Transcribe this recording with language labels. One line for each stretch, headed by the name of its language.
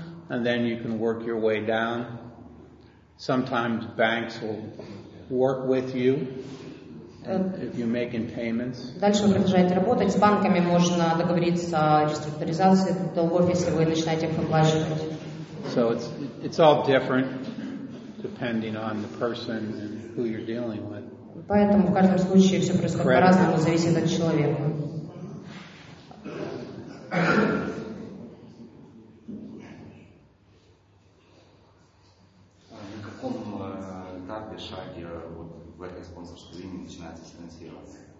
English: And then you can work your way down. Sometimes banks will work with you if you're making payments.
Russian: Дальше продолжать работать с банками можно договориться о реструктуризации долгов, если вы начинаете их выплачивать.
English: So it's all different. Depending on the person and who you're dealing with.
Russian: Поэтому в каждом случае все происходит по-разному, зависит от человека. На каком этапе шаги вот в этой спонсорской линии начинается спонсироваться?